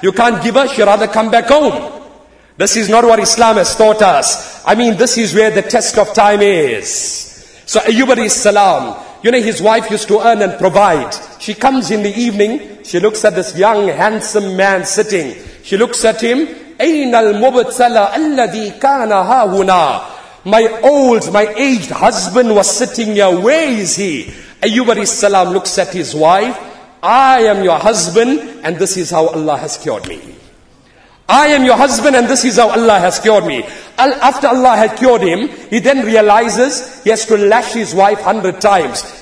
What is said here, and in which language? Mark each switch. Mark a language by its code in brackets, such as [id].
[en] You can't give her, she'd rather come back home. This is not what Islam has taught us. I mean, this is where the test of time is. So Ayyub alayhi salam, you know, his wife used to earn and provide. She comes in the evening, she looks at this young, handsome man sitting. She looks at him, [ar] أَيْنَ الْمُبْتَلَى أَلَّذِي كَانَ هَاهُنَا. [en] My aged husband was sitting here, where is he? Ayyub alayhi salam looks at his wife, I am your husband and this is how Allah has cured me. I am your husband and this is how Allah has cured me. After Allah had cured him, he then realizes he has to lash his wife 100 times.